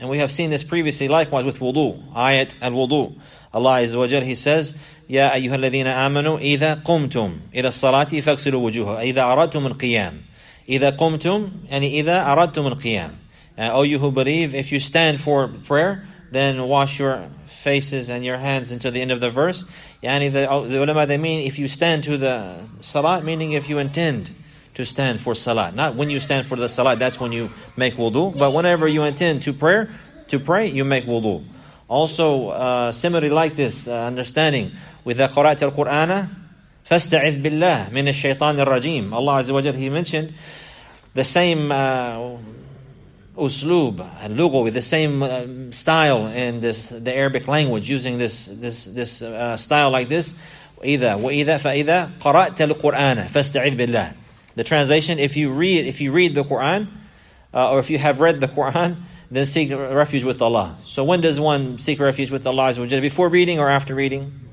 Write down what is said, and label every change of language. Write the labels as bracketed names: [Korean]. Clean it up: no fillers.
[English] And we have seen this previously likewise with wudu, ayat al-wudu. Allah Azza wa Jal, he says, [Arabic] يَا أَيُّهَا الَّذِينَ آمَنُوا إِذَا قُمْتُمْ إِلَى الصَّلَاةِ فَاغْسِلُوا وُجُوهَكُمْ إِذَا أَرَدْتُمُ الْقِيَامَ. إِذَا قُمْتُمْ, يعني إِذَا أَرَدْتُمُ الْقِيَامَ. [English] O you who believe, if you stand for prayer, then wash your faces and your hands until the end of the verse. Yani the ulama, they mean if you stand to the salat, meaning if you intend to stand for salat. Not when you stand for the salat, that's when you make wudu. But whenever you intend to pray, you make wudu. Also, similarly like this understanding, with the Qurat al-Qur'ana, [Arabic] فَاسْتَعِذْ بِاللَّهِ مِنَ الشَّيْطَانِ الرَّجِيمِ. [English] Allah Azza wa Jal, he mentioned the same uslub al-lugu, with the same style in this, the Arabic language, using this style like this, [Arabic] وإذا فإذا قرأت القرآن فاستعذ بالله. [English] The translation, if you read the Quran, or if you have read the Quran, then seek refuge with Allah. So when does one seek refuge with Allah? Is it before reading or after reading?